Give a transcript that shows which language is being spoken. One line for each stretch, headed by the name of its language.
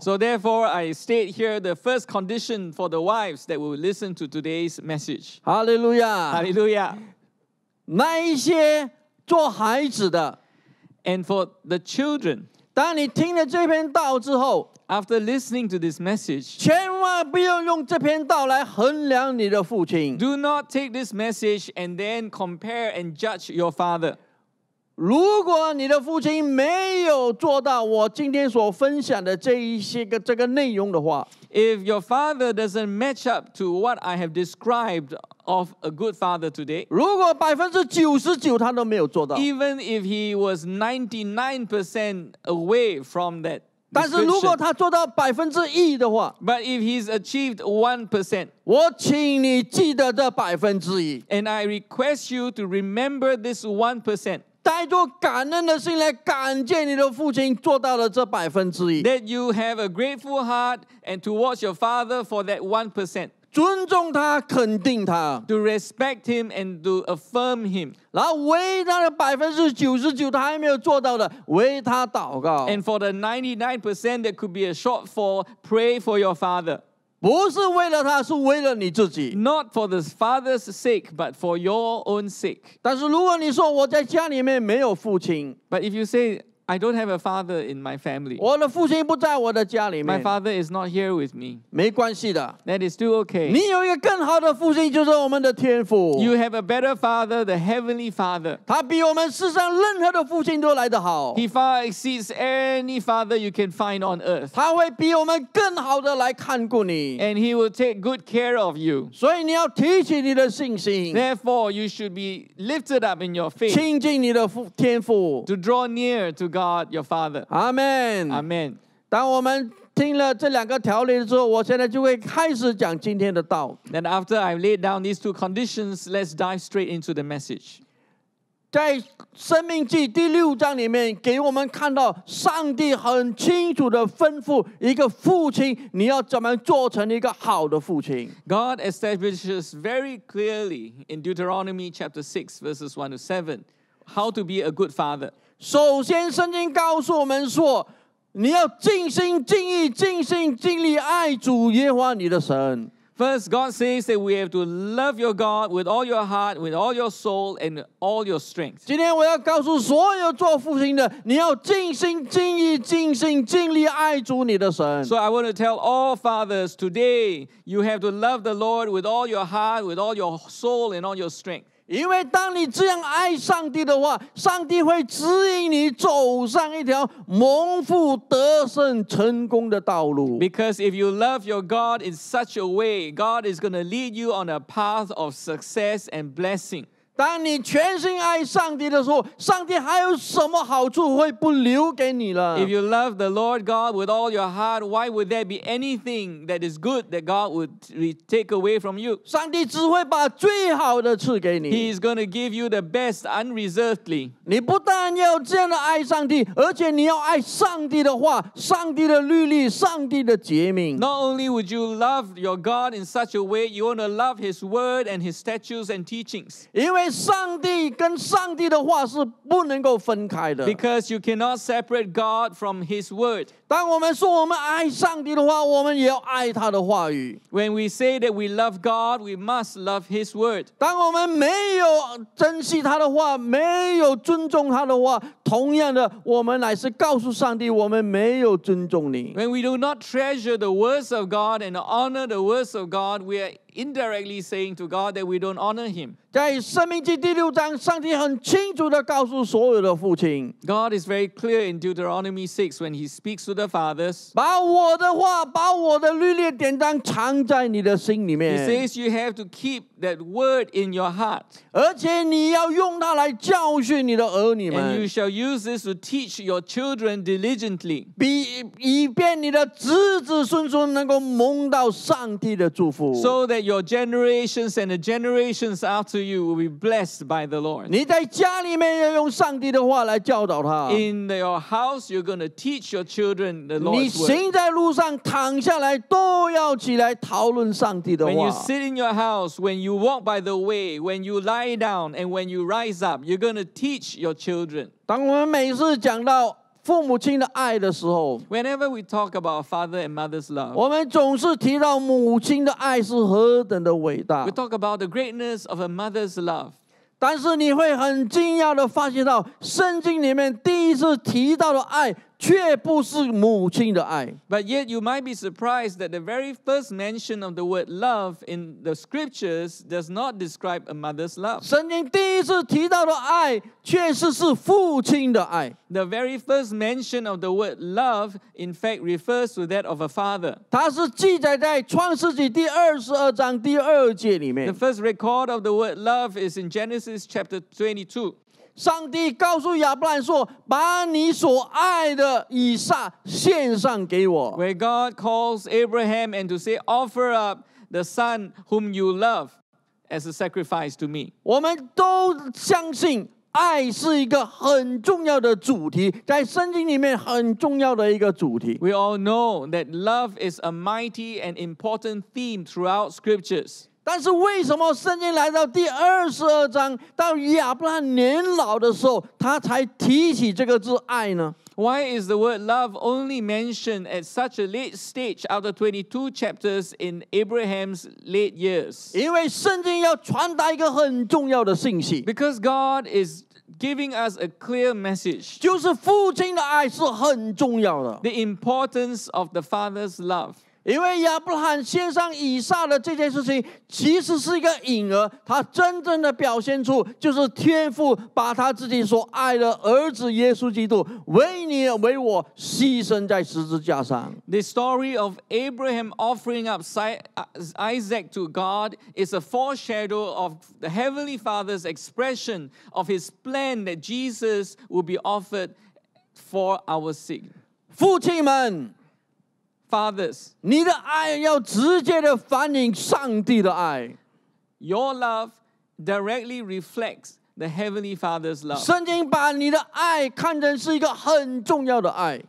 English: So therefore, I state here the first condition for the wives that will listen to today's message. Hallelujah! Hallelujah!
Chinese: 那一些做孩子的
English: and for the children,
Chinese: 当你听了这篇道之后
English: after listening to this message,
Chinese: 千万不要用这篇道来衡量你的父亲。
English: Do not take this message and then compare and judge your father.
Chinese: 如果你的父亲没有做到我今天所分享的这个内容的话
English: If your father doesn't match up to what I have described of a good father today
Chinese: 如果 99% 他都没有做到
English: Even if he was 99% away from that
Chinese: 但是如果他做到 1% 的话
English: But if he's achieved 1%
Chinese: 我请你记得这 1%
English: And I request you to remember this 1%
Chinese: 带着感恩的心来感谢你的父亲做到了这百分之一。
English: That you have a grateful heart and towards your father for that 1%.
Chinese: 尊重他，肯定他。
English: To respect him and to affirm him.
Chinese: 然后为他的99%他还没有做到的，为他祷告。
English: And for the 99% that could be a shortfall, pray for your father.
Chinese: 不是为了他，是为了你自己。
English: Not for the father's sake, but for your own sake.
Chinese: 但是如果你说我在家里面没有父亲
English: ，But if you say I don't have a father in my family,
Chinese: 我的父亲不在我的家里面
English: ，My father is not here with me.
Chinese: 没关系的
English: ，That is still okay.
Chinese: 你有一个更好的父亲，就是我们的天父。
English: You have a better father, the heavenly father.
Chinese: 他比我们世上任何的父亲都来得好。
English: He far exceeds any father you can find on earth.
Chinese: 他会比我们更好的来看顾你。
English: And he will take good care of you.
Chinese: 所以你要提起你的信心。
English: Therefore, you should be lifted up in your faith.
Chinese: 亲近你的天父。
English: To draw near to God, your father. Amen. Amen.
Chinese: 当我们听了这两个条例之后，我现在就会开始讲今天的道。
English: Then after I've laid down these two conditions, let's dive straight into the message.
Chinese: 在生命记第六章里面，给我们看到上帝很清楚的吩咐一个父亲，你要怎么做成一个好的父亲。
English: God establishes very clearly in Deuteronomy chapter 6, verses 1 to 7, how to be a good father.
Chinese: 首先圣经告诉我们说你要尽心尽意尽心尽力爱主耶和华你的神。
English: First, God says that we have to love your God with all your heart, with all your soul, and all your strength.
Chinese: 今天我要告诉所有做父亲的，你要尽心尽意尽心尽力爱主你的神。
English: So I want to tell all fathers today, you have to love the Lord with all your heart, with all your soul, and all your strength.
Chinese: 因为当你这样爱上帝的话，上帝会指引你走上一条蒙福得胜成功的道路。
English: Because if you love your God in such a way, God is going to lead you on a path of success and blessing.
Chinese: 当你全心爱上帝的时候，上帝还有什么好处会不留给你了？
English: If you love the Lord God with all your heart, why would there be anything that is good that God would take away from you?
Chinese: 上帝只会把最好的赐给你。
English: He is going to give you the best unreservedly.
Chinese: 你不但要这样的爱上帝，而且你要爱上帝的话，上帝的律例，上帝的诫命。
English: Not only would you love your God in such a way, you want to love His word and His statutes and teachings. Because
Chinese: 上帝跟上帝的话是不能够分开的。
English: Because you cannot separate God from His word.
Chinese: 当我们说我们爱上帝的话，我们也要爱他的话语。
English: When we say that we love God, we must love His word.
Chinese: 当我们没有珍惜他的话，没有尊重他的话，同样的，我们乃是告诉上帝，我们没有尊重你。
English: When we do not treasure the words of God and honor the words of God, we are indirectly saying to God that we don't honor Him.
Chinese: 在生命记第六章，上帝很清楚地告诉所有的父亲。
English: God is very clear in Deuteronomy 6 when He speaks to the fathers.
Chinese: 把我的话，把我的律例典章藏在你的心里面。
English: He says you have to keep that word in your heart.
Chinese: 而且你要用它来教训你的儿女们。
English: And you shall use this to teach your children diligently.
Chinese: 以便你的子子孙孙能够蒙到上帝的祝福。
English: So that your generations and the generations after you will be blessed by the Lord.
Chinese: 你在家里面要用上帝的话来教导他。
English: In your house, you're going to teach your children the Lord's word.
Chinese: 你行在路上，躺下来，都要起来讨论上帝的话。
English: When you sit in your house, when you walk by the way, when you lie down, and when you rise up, you're going to teach your children.
Chinese: 当我们每次讲到父母亲的爱的时候，
English: Whenever we talk about father and mother's love,
Chinese: 我们总是提到母亲的爱是何等的伟大。
English: We talk about the greatness of a mother's love.
Chinese: 但是你会很惊讶地发现到，圣经里面第一次提到的爱却不是母亲的爱。
English: But yet you might be surprised that the very first mention of the word love in the scriptures does not describe a mother's love.
Chinese: 圣经第一次提到的爱确实是父亲的爱。
English: The very first mention of the word love in fact refers to that of a father.
Chinese: 它是记载在创世纪第二十二章第二节里面。
English: The first record of the word love is in Genesis chapter 22.
Chinese: 上帝告诉亚伯兰说：“把你所爱的以撒献上给我。”
English: Where God calls Abraham and to say, "Offer up the son whom you love as a sacrifice to me."
Chinese: 我们都相信爱是一个很重要的主题，在圣经里面很重要的一个主题。
English: We all know that love is a mighty and important theme throughout scriptures.
Chinese: 但是为什么圣经来到第二十二章，到亚伯拉罕年老的时候，他才提起这个字爱呢？
English: Why is the word love only mentioned at such a late stage after 22 chapters in Abraham's late years?
Chinese: 因为圣经要传达一个很重要的信息。
English: Because God is giving us a clear message.
Chinese: 就是父亲的爱是很重要的。
English: The importance of the Father's love.
Chinese: 因为亚伯罕献上以撒的这件事情其实是一个隐儿，他真正的表现出就是天父把他自己所爱的儿子耶稣基督为你为我牺牲在十字架上。
English: The story of Abraham offering up Isaac to God is a foreshadow of the Heavenly Father's expression of his plan that Jesus will be offered for our sake.
Chinese: 父亲们，
English: Fathers,
Chinese: 你的爱要直接的反映上帝的爱。
English: Your love directly reflects the Heavenly Father's love.
Chinese: 圣经把你的爱看成是一个很重要的爱。